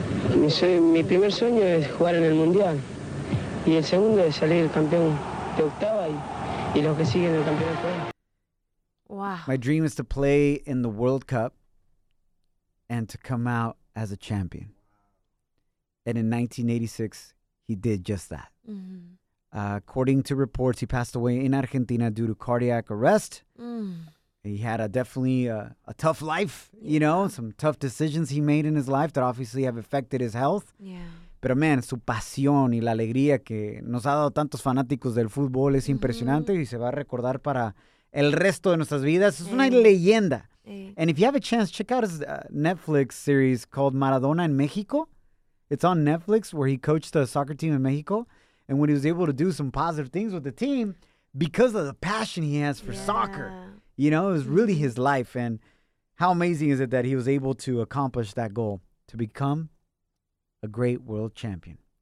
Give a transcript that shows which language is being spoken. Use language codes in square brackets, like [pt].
[es] Mi primer sueño es jugar en el Mundial. Y el segundo es salir campeón de octava y los que siguen el campeonato. [en] Wow. My dream is to play in the World Cup and to come out as a champion. And in 1986, he did just that. Mm-hmm. According to reports, he passed away in Argentina due to cardiac arrest. He had definitely a tough life, you know, some tough decisions he made in his life that obviously have affected his health. Yeah. [es] Pero man, su pasión y la alegría que nos ha dado tantos fanáticos del fútbol es impresionante y se va a recordar para el resto de nuestras vidas. Es una leyenda. [en] And if you have a chance, check out his Netflix series called Maradona en México. It's on Netflix where he coached a soccer team in Mexico. And when he was able to do some positive things with the team because of the passion he has for soccer. You know, it was really his life. And how amazing is it that he was able to accomplish that goal to become a great world champion.